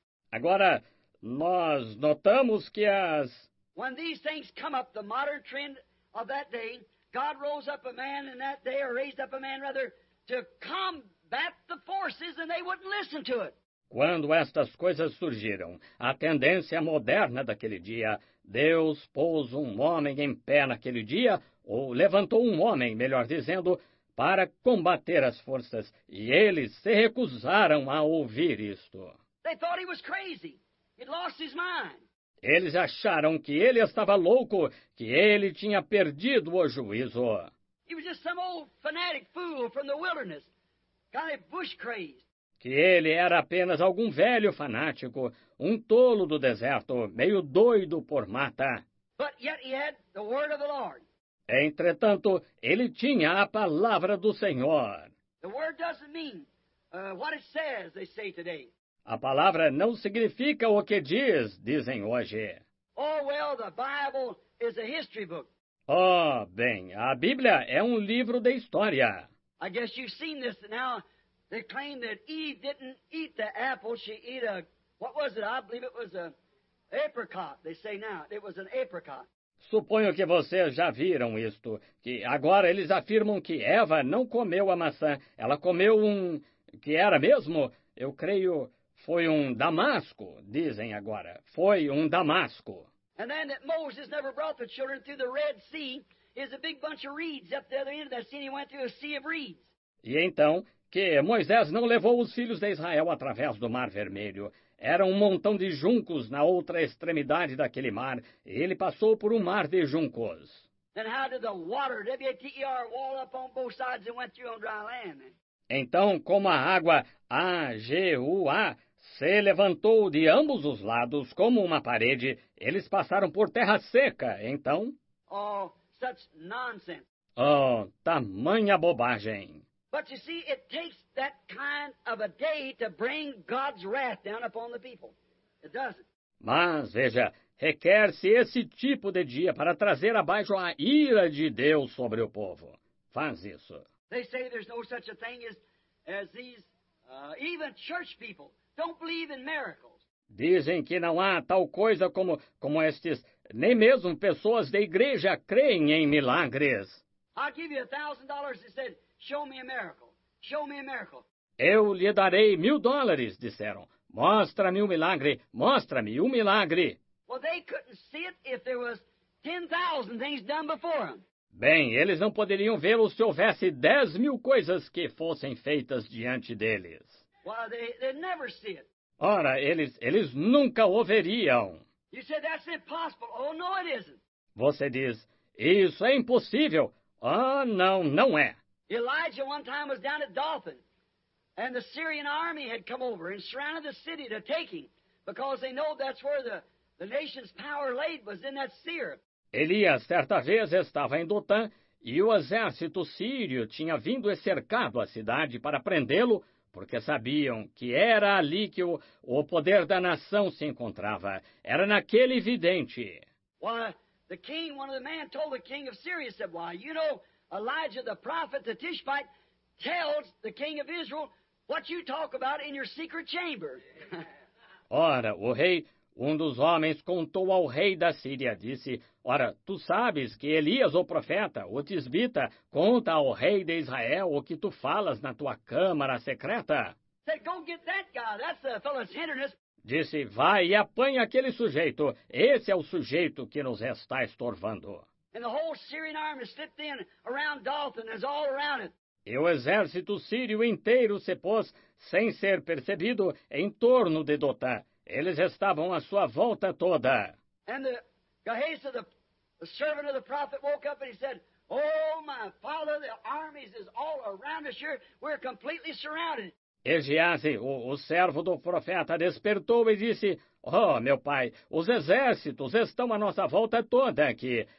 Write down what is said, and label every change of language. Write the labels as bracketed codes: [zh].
[pt] agora, nós notamos que as... [en] When these things come up, the modern trend of that day... God rose up a man in that day, or raised up a man, rather, to combat the forces, and they wouldn't listen to it. [pt] Quando estas coisas surgiram, a tendência moderna daquele dia, Deus pôs um homem em pé naquele dia, ou levantou um homem, melhor dizendo, para combater as forças, e eles se recusaram a ouvir isto. [en] They thought he was crazy. He'd lost his mind. [pt] Eles acharam que ele estava louco, que ele tinha perdido o juízo. [en] He was just some old fanatic fool from the wilderness, kind of bush crazed. [pt] Que ele era apenas algum velho fanático, um tolo do deserto, meio doido por mata. [en] But yet he had the word of the Lord. [pt] Entretanto, ele tinha a palavra do Senhor. [en] The word doesn't mean what it says, they say today. [pt] A palavra não significa o que diz, dizem hoje. [en] Oh, well, the Bible is a history book. [pt] Oh, bem, a Bíblia é um livro de história. [en] I guess you've seen this now. They claim that Eve didn't eat the apple, she ate a... What was it? I believe it was an apricot, they say now. It was an apricot. [pt] Suponho que vocês já viram isto, que agora eles afirmam que Eva não comeu a maçã. Ela comeu um... que era mesmo, eu creio... Foi um damasco, dizem agora. Foi um damasco. [en] And then that Moses never brought the children through the Red Sea is a big bunch of reeds up the other end of that sea, and he went through a sea of reeds. [pt] E então que Moisés não levou os filhos de Israel através do Mar Vermelho. Era um montão de juncos na outra extremidade daquele mar. Ele passou por um mar de juncos. [en] Then how did the water, W-E-T-E-R, wall up on both sides and went through on dry land? [pt] Então, como a água, A-G-U-A, se levantou de ambos os lados como uma parede, eles passaram por terra seca, então. [en] Oh, such nonsense. [pt] Oh, tamanha bobagem! [en] But you see, it takes that kind of a day to bring God's wrath down upon the people. It doesn't. [pt] Mas veja, requer-se esse tipo de dia para trazer abaixo a ira de Deus sobre o povo. Faz isso. [en] They say there's no such a thing as these even church people don't believe in miracles. [pt] Dizem que não há tal coisa como estes, nem mesmo pessoas da igreja creem em milagres. [en] I'll give you $1,000, he said. Show me a miracle. Show me a miracle. [pt] Eu lhe darei $1,000, disseram. Mostra-me um milagre. Mostra-me um milagre. [en] Well, they couldn't see it if there was 10,000 things done before them. [pt] Bem, eles não poderiam vê-lo se houvesse 10,000 coisas que fossem feitas diante deles. [en] Well, they never see it. [pt] Ora, eles nunca o veriam. [en] You said that's impossible. Oh, no, it isn't. [pt] Você diz, isso é impossível. Ah, não, não é. [en] Elijah one time was down at Dothan, and the Syrian army had come over and surrounded the city to taking, because they know that's where the nation's power laid was in that Syria. [pt] Elias certa vez estava em Dotã, e o exército sírio tinha vindo e cercado a cidade para prendê-lo, porque sabiam que era ali que o poder da nação se encontrava. Era naquele vidente. [en] Why, the king, one of the men told the king of Syria, said, why, you know, Elijah, the prophet, the Tishbite, tells the king of Israel what you talk about in your secret chamber. [pt] Ora, o rei, um dos homens, contou ao rei da Síria, disse, ora, tu sabes que Elias, o profeta, o Tisbita, conta ao rei de Israel o que tu falas na tua câmara secreta. [en] Said, go get that guy, that's the fellow's hindrance. [pt] Disse, vai e apanha aquele sujeito, esse é o sujeito que nos está estorvando. [en] And the whole Syrian army slipped in around Dothan, is all around it. [pt] E o exército sírio inteiro se pôs, sem ser percebido, em torno de Dotã. Eles estavam à sua volta toda. [en] And the Gehazi, the servant of the prophet, woke up and he said, oh, my father, the armies is all around us here. We're completely surrounded. [pt] E Gehazi, o servo do profeta, despertou e disse, oh, meu pai, os exércitos estão à nossa volta toda aqui.